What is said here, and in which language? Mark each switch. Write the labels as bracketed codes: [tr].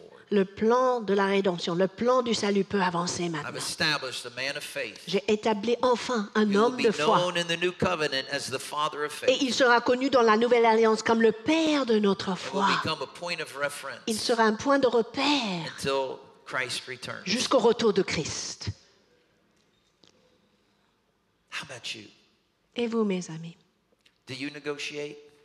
[fr] Le plan de la rédemption, le plan du salut peut avancer maintenant. [en] I've established a man of faith. [fr] J'ai établi enfin un homme de foi. [en] Known in the new covenant as the father of faith. [fr] Et il sera connu dans la nouvelle alliance comme le père de notre foi. [en] It will become a point of reference. [fr] Il sera un point de repère [en] until Christ returns. [fr] Jusqu'au retour de Christ. [en] How about you? [fr] Et vous, mes amis? [en] Do you negotiate?